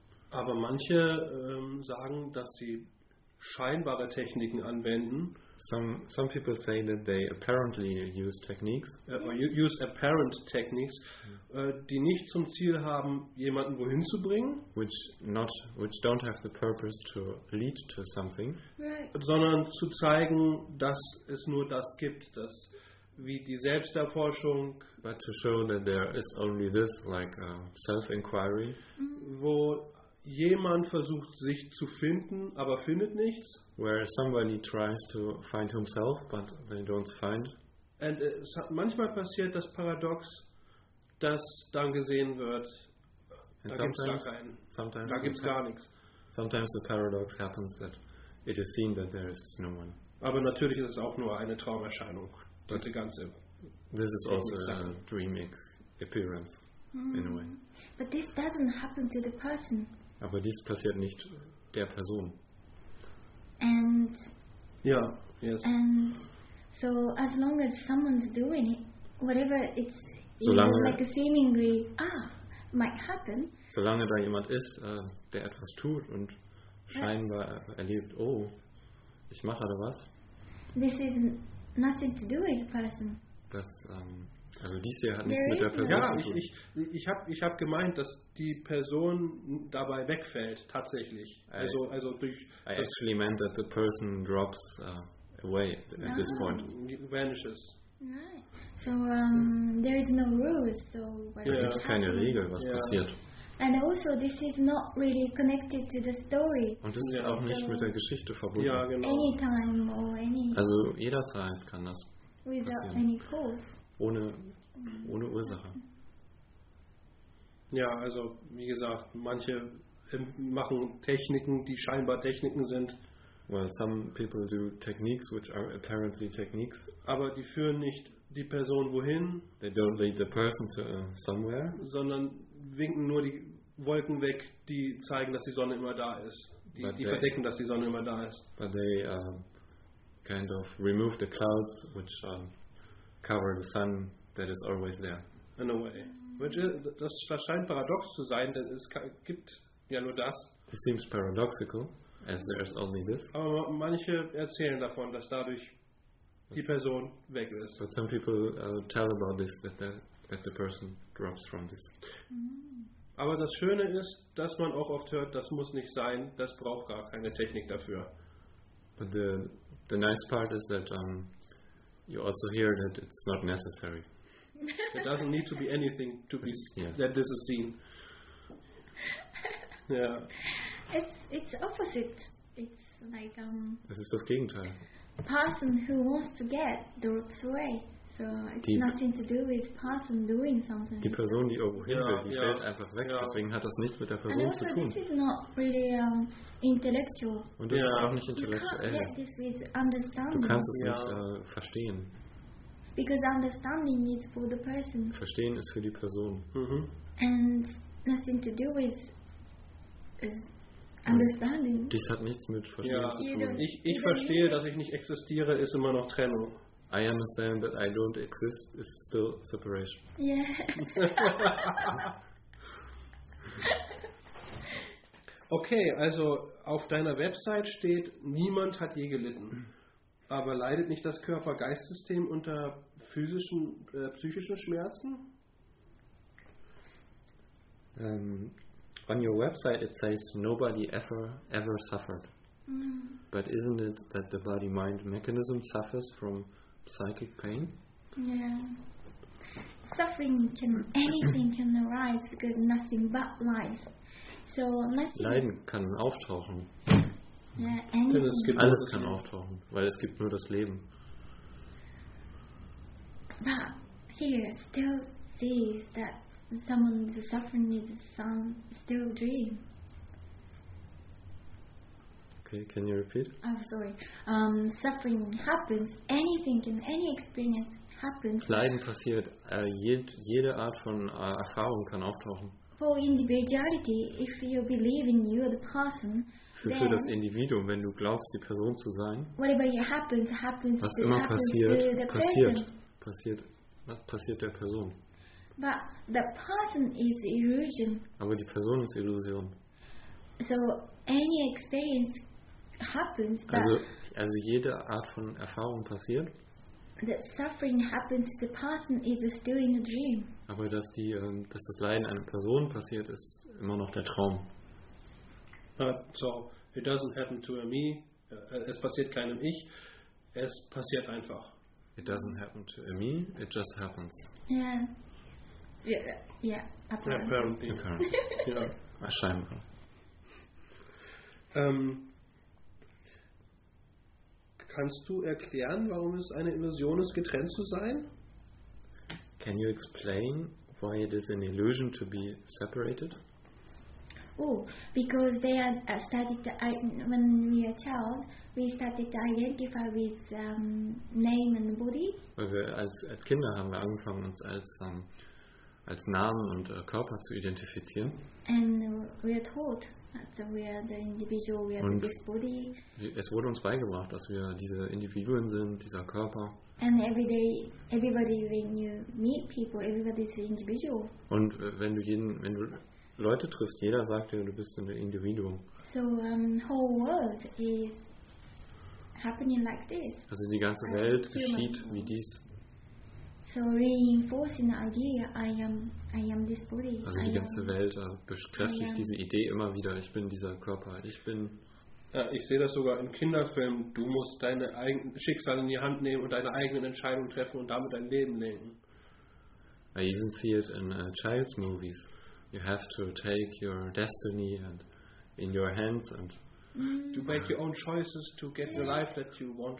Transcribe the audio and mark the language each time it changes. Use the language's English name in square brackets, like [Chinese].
[German] Aber manche sagen, dass sie scheinbare Techniken anwenden. [English] Some people say that they apparently use techniques or use apparent techniques, [German] die nicht zum Ziel haben, jemanden wohin zu bringen, [English] which don't have the purpose to lead to something, right, [German] sondern zu zeigen, dass es nur das gibt, dass wie die Selbsterforschung, [English] but to show that there is only this, like a self inquiry, [German] wo jemand versucht sich zu finden, aber findet nichts. [English] Where somebody tries to find himself, but they don't find. [German] And es hat manchmal passiert das Paradox, dass dann gesehen wird, and da gibt's gar keinen. [English] Sometimes [German] da gibt's gar nichts. [English] Sometimes the paradox happens that it is seen that there is no one. [German] Aber natürlich ist es auch nur eine Traumerscheinung. Das ganze. [English] This is also a dream appearance in a way. But this doesn't happen to the person. [German] Aber dies passiert nicht der Person. [English] And yeah, yes. And so as long as someone's doing it, whatever it's even like a seemingly might happen. [German] Solange da jemand ist, der etwas tut und scheinbar erlebt, oh, ich mache da was. [English] This is nothing to do with person. [German] Das, also dies hier hat nichts mit der Person zu tun. Ja, ich hab gemeint, dass die Person dabei wegfällt, tatsächlich. Also durch. [English] I actually meant that the person drops away at this point. Vanishes. Nein. So, there is no rules, so whatever. [German] Da gibt's keine Regel, was passiert. [English] And also, this is not really connected to the story. [German] Und das ist auch nicht mit der Geschichte verbunden. Ja, genau. [English] Anytime or any. [German] Also jederzeit kann das [English] without [German] passieren. [English] Any cause. [German] Ohne Ursache. Ja, also wie gesagt, manche machen Techniken, die scheinbar Techniken sind. [English] Well, some people do techniques which are apparently techniques. [German] Aber die führen nicht die Person wohin. [English] They don't lead the person to somewhere. [German] Sondern winken nur die Wolken weg, die zeigen, dass die Sonne immer da ist. Die verdecken, dass die Sonne immer da ist. [English] But they kind of remove the clouds which cover the sun that is always there. In a way. [German] Das scheint paradox zu sein, denn es gibt ja nur das. [English] This seems paradoxical. As there is only this. [German] Aber manche erzählen davon, dass dadurch die Person weg ist. [English] But some people tell about this, that the person drops from this. [German] Aber das Schöne ist, dass man auch oft hört, das muss nicht sein, das braucht gar keine Technik dafür. [English] But the nice part is that you also hear that it's not necessary. It doesn't need to be anything to be that this is seen. Yeah. It's opposite. It's like [German] Es ist das Gegenteil. [English] Person who wants to get drops away. So it's nothing to do with person doing something. [German] Die Person, die irgendwo hin will, die fällt einfach weg. Yeah. Deswegen hat das nichts mit der Person [English] and also [German] zu tun. [English] This is not really intellectual. [German] Und das ist auch nicht intellektuell. [English] You can't get this with understanding. [German] Du kannst es nicht verstehen. [English] Because understanding is for the person. [German] Verstehen ist für die Person. Mm-hmm. [English] And nothing to do with understanding. [German] Dies hat nichts mit Verstehen zu tun. Ich verstehe, dass ich nicht existiere, ist immer noch Trennung. [English] I understand that I don't exist is still separation. Yeah. [German] Okay, also auf deiner Website steht, niemand hat je gelitten. Aber leidet nicht das Körper-Geist-System unter physischen, psychischen Schmerzen? [English] On your website it says nobody ever suffered. Mm. But isn't it that the body-mind mechanism suffers from psychic pain? Yeah. Suffering can, anything can arise because nothing but life. So nothing. [German] Leiden kann auftauchen. [English] Yeah, anything. [German] Es gibt alles kann auftauchen, weil es gibt nur das Leben. [English] But here still sees that someone's suffering is some still dream. Okay, can you repeat? Oh, sorry. Suffering happens. Anything can, any experience happens. [German] Leiden passiert. Jede Art von Erfahrung kann auftauchen. [English] For individuality, if you believe in you, the person. [German] Für das Individuum, wenn du glaubst, die Person zu sein. [English] Whatever you happens. [German] Was immer passiert, passiert. Was passiert der Person? [English] But the person is illusion. [German] Aber die Person ist Illusion. [English] So any experience happens. [German] Also jede Art von Erfahrung passiert. [English] That suffering happens, the person is still in a dream. [German] Aber dass das Leiden einer Person passiert, ist immer noch der Traum. [English] So it doesn't happen to a me. [German] Es passiert keinem Ich. Es passiert einfach. [English] It doesn't happen to a me. It just happens. Yeah. Yeah, apparently. [German] Wahrscheinlich. Kannst du erklären, warum es eine Illusion ist, getrennt zu sein? [English] Can you explain why it is an illusion to be separated? Oh, because they are started to, when we are child, we started to identify with name and body. [German] Weil wir als Kinder haben wir angefangen, uns als Namen und Körper zu identifizieren. [English] And we are taught that we are the individual, we are [German] und [English] this body. [German] Es wurde uns beigebracht, dass wir diese Individuen sind, dieser Körper. [English] And every day, everybody, when you meet people, everybody is individual. [German] Und wenn du Leute triffst, jeder sagt dir, du bist ein Individuum. [English] So So whole world is happening like this. [German] Also die ganze Welt geschieht wie dies. [English] So reinforcing the idea, I am this body. [German] Also die ganze Welt bekräftigt diese Idee immer wieder. Ich bin dieser Körper. Ich bin. Ja, ich sehe das sogar in Kinderfilmen. Du musst deine eigenen Schicksal in die Hand nehmen und deine eigenen Entscheidungen treffen und damit dein Leben lenken. [English] I even see it in child's movies. You have to take your destiny and in your hands and to make your own choices to get the life that you want.